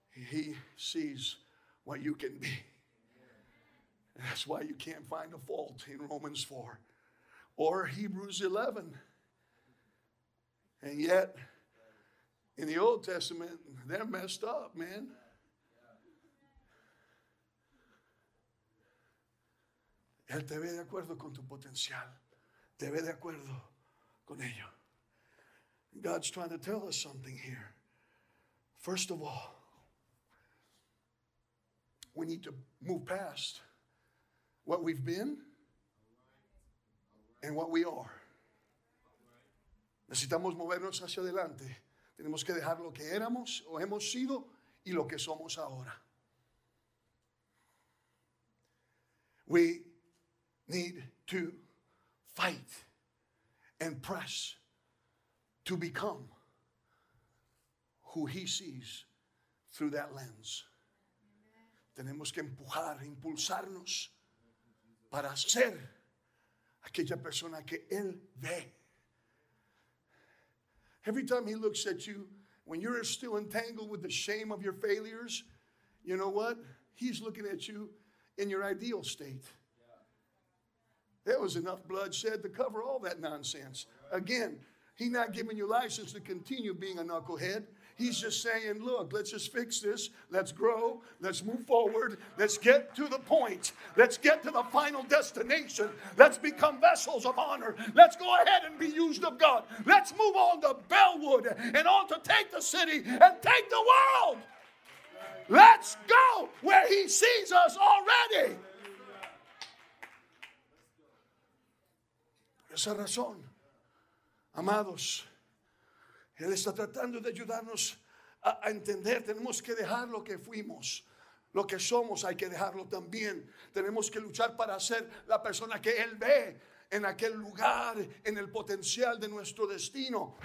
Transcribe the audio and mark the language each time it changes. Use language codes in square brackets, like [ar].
[en] He sees what you can be. That's why you can't find a fault in Romans 4 or Hebrews 11. And yet, in the Old Testament, they're messed up, man. [es] Él te ve de acuerdo con tu potencial. Te ve de acuerdo con ello. [en] God's trying to tell us something here. First of all, we need to move past what we've been and what we are. [es] Necesitamos movernos hacia adelante. Tenemos que dejar lo que éramos o hemos sido y lo que somos ahora. [en] We need to fight and press to become who he sees through that lens. Amen. [es] Tenemos que empujar, impulsarnos para ser aquella persona que él ve. [en] Every time he looks at you, when you're still entangled with the shame of your failures, you know what? He's looking at you in your ideal state. There was enough blood shed to cover all that nonsense. Again, he's not giving you license to continue being a knucklehead. He's just saying, look, let's just fix this. Let's grow. Let's move forward. Let's get to the point. Let's get to the final destination. Let's become vessels of honor. Let's go ahead and be used of God. Let's move on to Bellwood and on to take the city and take the world. Let's go where he sees us already. [es] Esa razón, amados, él está tratando de ayudarnos a entender. Tenemos que dejar lo que fuimos, lo que somos, hay que dejarlo también. Tenemos que luchar para ser la persona que él ve en aquel lugar, en el potencial de nuestro destino.